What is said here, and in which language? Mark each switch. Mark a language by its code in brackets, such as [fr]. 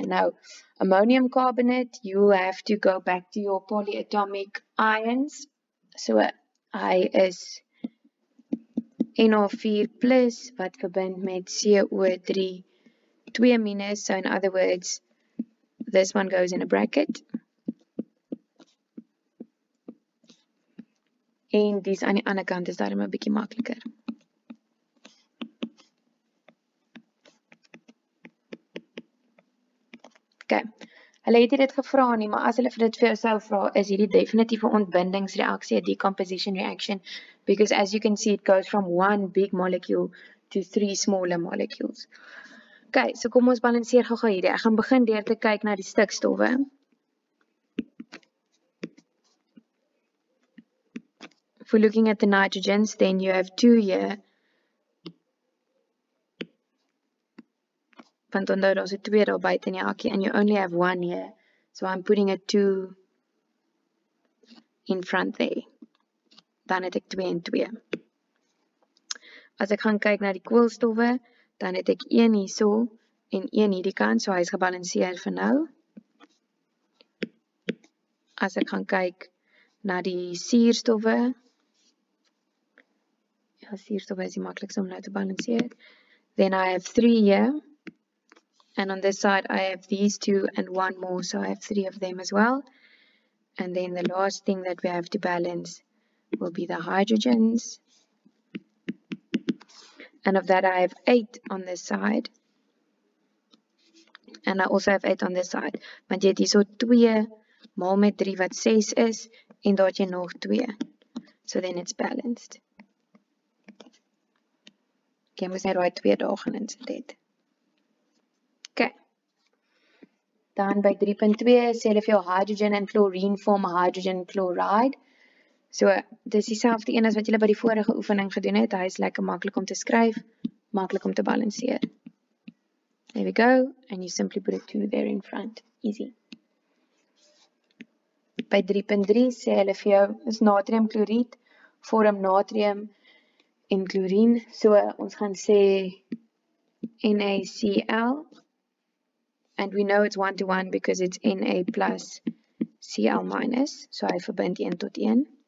[en] Now, ammonium carbonate, you have to go back to your polyatomic ions. [af] So, I is NO4 plus, wat verbind met CO3, 2 minus. [en] So, in other words, this one goes in a bracket. [af] En dis aan die ander kant is daarom 'n bietjie makliker. Okay. Hulle het dit gevra nie, maar as hulle vir dit vir jou sou vra, is hierdie definitiewe ontbindingsreaksie, [en] a decomposition reaction, because as you can see, it goes from one big molecule to three smaller molecules. [af] Okay, so kom ons balanseer gou-gou hierdie. Ek gaan begin deur te kyk na die stikstowwe. [en] we're looking at the nitrogens, then you have 2 here. [af] Want onthou daar's 'n 2 daar buite in die hakkie [en] and you only have 1 here. So I'm putting a 2 in front there. [af] Dan het ek 2 en 2. As ek gaan kyk na die koolstowwe, dan het ek 1 hierso en 1 hierdie kant, so hy's gebalanseer vir nou. As ek gaan kyk na die suurstowwe, ja, suurstowwe is die maklikste om nou te balanseer. [en] Then I have 3 here, and on this side I have these 2 and 1 more, so I have 3 of them as well. And then the last thing that we have to balance will be the hydrogens. And of that I have 8 on this side. And I also have 8 on this side. [af] Want jy het hierso 2 maal met 3 wat 6 is en daar het jy nog 2. [en] So then it's balanced. [af] Okay, moes net daai 2 daar gaan insit het. Okay. Dan by 3.2 sê hulle vir jou [en] hydrogen and chlorine form hydrogen chloride. [af] So, dis dieselfde een as wat julle by die vorige oefening gedoen het. Hy is lekker maklik om te skryf, maklik om te balanseer. [en] There we go, and you simply put a 2 there in front. Easy. [af] By 3.3 sê hulle vir jou, is natriumkloried vorm natrium en chlorine. So, ons gaan sê NaCl, [en] and we know it's 1-to-1 because it's Na plus Cl minus, [af] so hy verbind 1-tot-1.